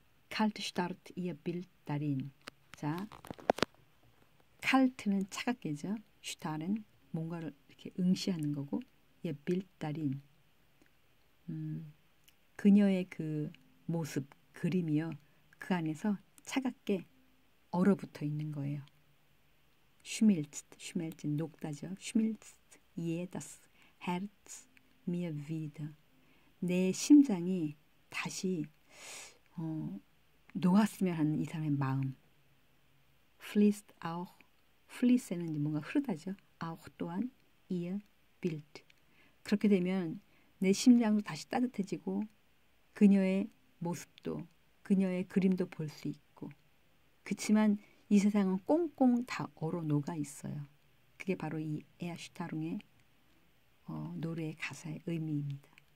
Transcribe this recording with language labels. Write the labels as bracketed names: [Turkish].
[German] Kalt starrt ihr Bild darin. [Korean] 자, kalt는 차갑게죠. starren, 뭔가를 이렇게 응시하는 거고, [German] ihr Bild darin. [Korean] 그녀의 그 모습, 그림이요. 그 안에서 차갑게 얼어붙어 있는 거예요. Schmilzt, 녹다죠. [German] Schmilzt jedes Herz mir wieder. [Korean] 내 심장이 다시 녹았으면 하는 이 사람의 마음. Fließt auch, fließen은 뭔가 흐르다죠. [German] Auch 또한 ihr Bild. [Korean] 그렇게 되면 내 심장도 다시 따뜻해지고 그녀의 모습도 그녀의 그림도 볼수 있고 그치만 이 세상은 꽁꽁 다 얼어 녹아 있어요. 그게 바로 이 에아슈타룽의 노래의 가사의 의미입니다.